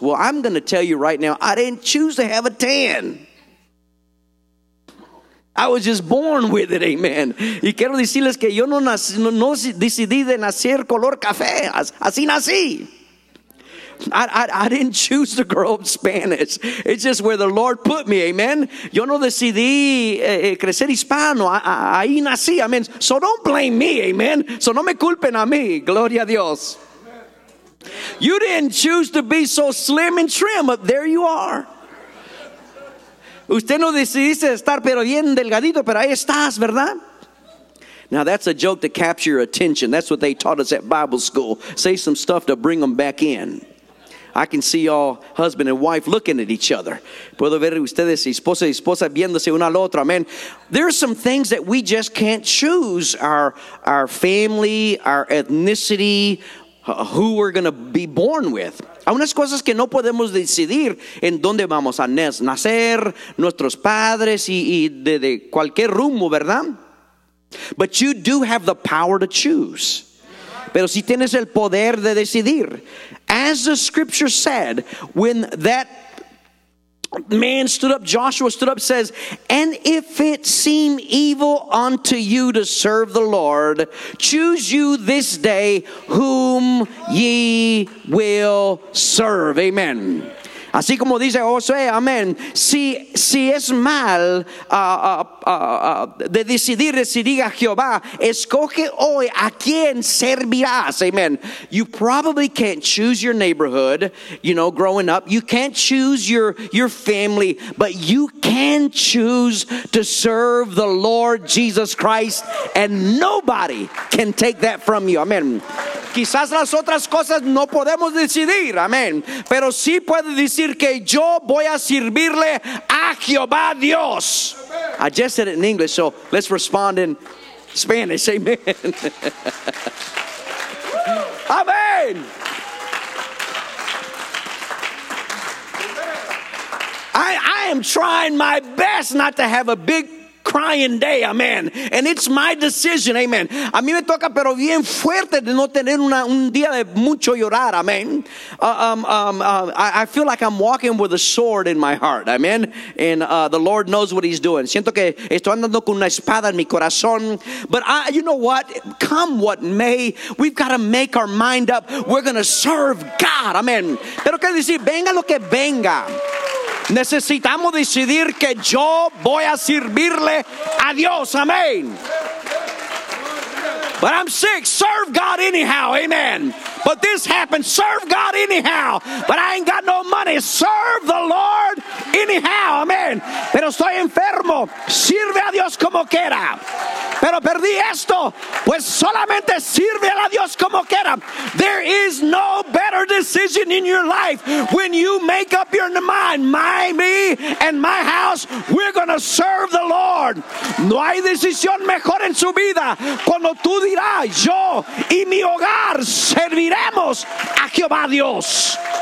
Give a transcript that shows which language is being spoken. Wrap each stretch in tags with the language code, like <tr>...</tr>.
<en>Well, I'm going to tell you right now, I didn't choose to have a tan. I was just born with it, amen.</en> <es>Y quiero decirles que yo no decidí de nacer color café. Así nací.</es> <en>I didn't choose to grow up Spanish. It's just where the Lord put me, amen.</en> <es>Yo no decidí crecer hispano. Ahí nací, amen.</es> <en>So don't blame me, amen. So</en> <es>no me culpen a mí. Gloria a Dios.</es> <en>You didn't choose to be so slim and trim, but there you are.</en> <es>Usted no decidiste estar pero bien delgadito, pero ahí estás, ¿verdad?</es> <en>Now that's a joke to capture your attention. That's what they taught us at Bible school. Say some stuff to bring them back in. I can see y'all, husband and wife, looking at each other.</en> <es>Puedo ver ustedes, esposa y esposa, viéndose una al otro. Amen.</es> <en>There are some things that we just can't choose. Our family, our ethnicity, who we're going to be born with.</en> <es>Hay unas cosas que no podemos decidir en dónde vamos a nacer, nuestros padres y de cualquier rumbo, ¿verdad?</es> <en>But you do have the power to choose.</en> <es>Pero si tienes el poder de decidir.</es> <en>As the scripture said, when that man stood up, Joshua stood up, says, and if it seem evil unto you to serve the Lord, choose you this day whom ye will serve.</en> <es>Amen. Así como dice Josué, amén. Si es mal de decidir, decidir a Jehová, escoge hoy a quién servirás. Amen.</es> <en>You probably can't choose your neighborhood, you know, growing up. You can't choose your family, but you can choose to serve the Lord Jesus Christ, and nobody can take that from you. Amen.</en> <es>Quizás las otras cosas no podemos decidir, amén. Pero sí puede decir que yo voy a servirle a Jehová Dios.</es> <en>I just said it in English, so let's respond in Spanish. Amen. Amen. I am trying my best not to have a big crying day, amen. And it's my decision, amen.</en> <es>A mí me toca, pero bien fuerte de no tener un día de mucho llorar, amen.</es> <en>I feel like I'm walking with a sword in my heart, amen. And the Lord knows what He's doing.</en> <es>Siento que estoy andando con una espada en mi corazón.</es> <en>But you know what? Come what may, we've got to make our mind up. We're going to serve God, amen.</en> <es>Pero qué decir, venga lo que venga. Necesitamos decidir que yo voy a servirle a Dios. Amén.</es> <en>But I'm sick. Serve God anyhow. Amen. But this happened. Serve God anyhow. But I ain't got no money. Serve the Lord anyhow. Amen.</en> <es>Pero estoy enfermo. Sirve a Dios como quiera. Pero perdí esto. Pues solamente sirve a Dios como quiera.</es> <en>There is no better decision in your life when you make up your mind. My, me, and my house, we're going to serve the Lord.</en> <es>No hay decisión mejor en su vida cuando tú dirás, yo y mi hogar serviremos a Jehová Dios.</es>